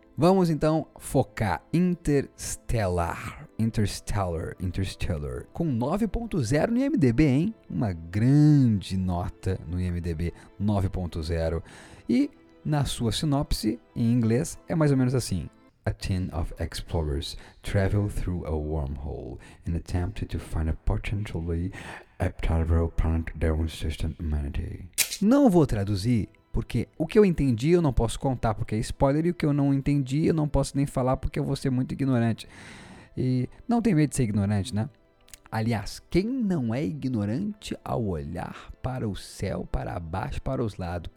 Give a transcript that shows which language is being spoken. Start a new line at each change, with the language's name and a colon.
Portuguese: Vamos então focar Interstellar. Interstellar, Interstellar, com 9.0 no IMDb, hein? Uma grande nota no IMDb, 9.0. E na sua sinopse, em inglês, é mais ou menos assim.
English: A team of explorers travel through a wormhole in attempt to find a potentially habitable planet that will sustain humanity.
Portuguese: Não vou traduzir, porque o que eu entendi eu não posso contar, porque é spoiler, e o que eu não entendi eu não posso nem falar, porque eu vou ser muito ignorante. E não tem medo de ser ignorante, né? Aliás, quem não é ignorante ao olhar para o céu, para baixo, para os lados?